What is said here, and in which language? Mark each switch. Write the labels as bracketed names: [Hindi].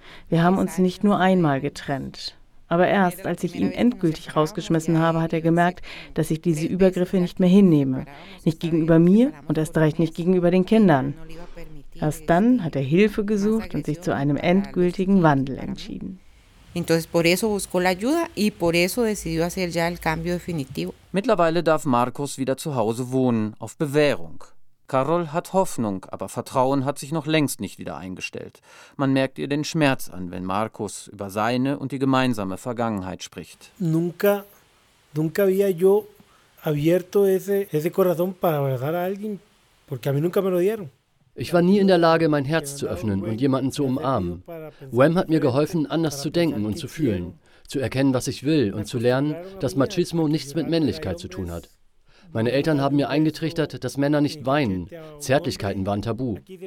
[German] Wir haben uns nicht nur einmal getrennt. Aber erst, als ich ihn endgültig rausgeschmissen habe, hat er gemerkt, dass ich diese Übergriffe nicht mehr hinnehme. Nicht gegenüber mir und erst recht nicht gegenüber den Kindern. Erst dann hat er Hilfe gesucht und sich zu einem endgültigen Wandel entschieden. [Spanish] Entonces por eso buscó la ayuda y por eso decidió hacer ya el cambio definitivo. [German] Mittlerweile darf Marcos wieder zu Hause wohnen, auf Bewährung. Carol hat Hoffnung, aber Vertrauen hat sich noch längst nicht wieder eingestellt. Man merkt ihr den Schmerz an, wenn Marcos über seine und die gemeinsame Vergangenheit spricht. [Spanish] Nunca había yo abierto ese corazón para abrazar a alguien, porque a mí nunca me lo dieron. [German] Ich war nie in der Lage, mein Herz zu öffnen und jemanden zu umarmen. WEM hat mir geholfen, anders zu denken und zu fühlen, zu erkennen, was ich will und zu lernen, dass Machismo nichts mit Männlichkeit zu tun hat. Meine Eltern haben mir eingetrichtert, dass Männer nicht weinen. Zärtlichkeiten waren tabu.